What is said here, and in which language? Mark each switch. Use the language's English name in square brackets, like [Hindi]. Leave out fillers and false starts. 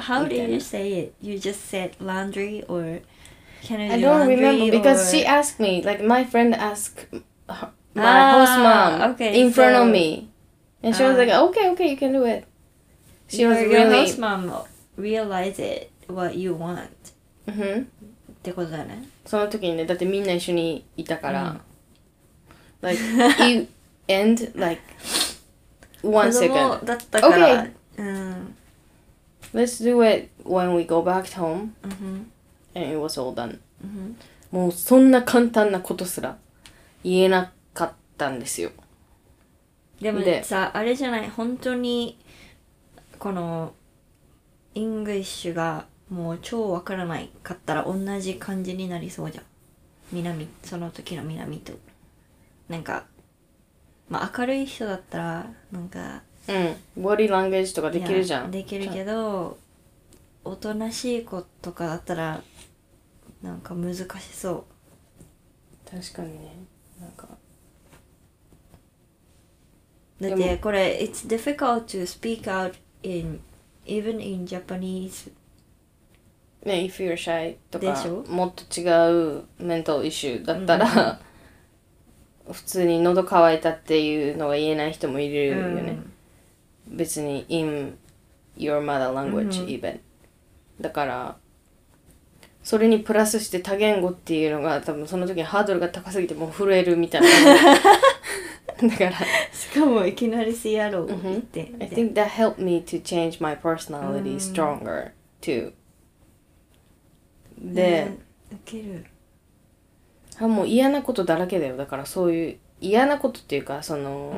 [English] How did you say it? You just said laundry or can I do laundry? I don't remember because she asked me, like my friend asked her, my host mom okay, in front of me. And she was like, okay, you can do it. She was really... Your host mom realized it, what you want. Mm-hmm. [Japanese] ってことだね。その時にね、だってみんな一緒にいたから。 [English] Like, you end like one second. [Japanese] 子供だったから。Okay. [English] Let's do it when we go back to home、mm-hmm. And it was all done、mm-hmm. [Japanese] もうそんな簡単なことすら言えなかったんですよでもさあれじゃない本当にこのイングリッシュがもう超わからないかったら同じ感じになりそうじゃん南その時の南となんかまあ明るい人だったらなんか、うん、ボディランゲージとかできるじゃん。できるけど、おとなしい子とかだったらなんか難しそう。確かにね、なんか。だってこれ [English] It's difficult to speak out in even in Japanese。 [Japanese] ね、 [English] if you're shy [Japanese] とかもっと違うメンタルイシューだったら、うん、普通に喉乾いたっていうのが言えない人もいるよね、うん、別に [English] in your mother language even、 [Japanese] うん、だからそれにプラスして多言語っていうのが多分その時にハードルが高すぎてもう震えるみたいなだからしかもいきなりシアロー行って、 [English] うん、I think that helped me to change my personality stronger too、うんで、 [Japanese] ね、ウケる。あ、もう嫌なことだらけだよ。だからそういう嫌なことっていうかその、